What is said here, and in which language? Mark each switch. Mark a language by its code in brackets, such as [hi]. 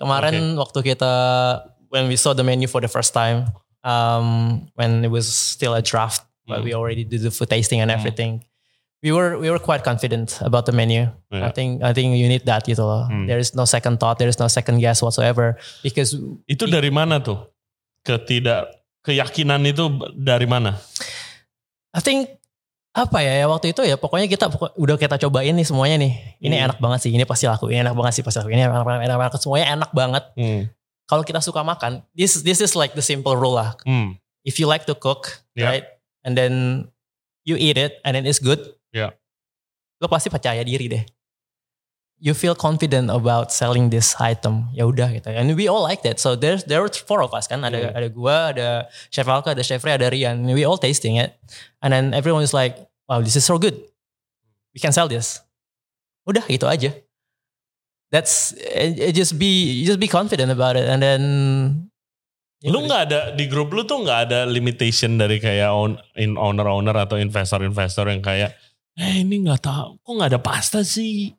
[id] Kemarin waktu kita, [en] when we saw the menu for the first time, when it was still a draft, but we already did the food tasting and everything. We were quite confident about the menu. Yeah. I think you need that [id] gitu loh. [en] Hmm. There is no second thought, there is no second guess whatsoever because [id] itu dari mana tuh? Keyakinan itu dari mana? [en] I think [id] apa ya waktu itu ya pokoknya udah kita cobain nih semuanya nih. Ini enak banget sih, ini pasti laku. Ini enak banget sih pasti laku. Ini enak semuanya enak banget. [en] Hmm. [id] Kalau kita suka makan, [en] this is like the simple rule lah. Hmm. If you like to cook, yeah, right? And then you eat it and then it's good. Yeah. [id] Lo pasti percaya diri deh. [en] You feel confident about selling this item. [id] Ya udah gitu. [en] And we all like that. So there were four of us kan. [id] Ada yeah, ada gua, ada Chef Alka, ada Chef Ray, ada Rian. [en] We all tasting it. And then everyone is like, wow, this is so good. We can sell this. [id] Udah gitu aja. [en] That's just be confident about it. And then [id] lu nggak ada di grup lu tuh nggak ada limitation dari kayak owner atau investor yang kayak ini nggak tahu kok nggak ada pasta sih.